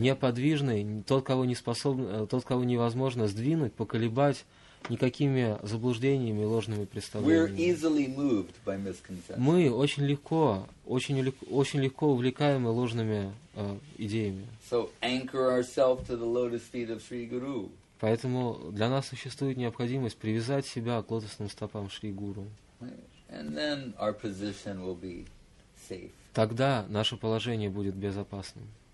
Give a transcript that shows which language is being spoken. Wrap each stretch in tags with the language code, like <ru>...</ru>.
<ru>Неподвижный – тот, кого невозможно сдвинуть, поколебать никакими заблуждениями и ложными представлениями.</ru> <en>We're easily moved by misconceptions.</en> <ru>Мы очень легко увлекаемы ложными идеями.</ru> <en>So anchor ourselves to the lotus feet of Sri Guru.</en> <ru>Поэтому для нас существует необходимость привязать себя к лотосным стопам Шри Гуру.</ru> <en>And then our position will be safe.</en> <ru>Тогда наше положение будет безопасным.</ru>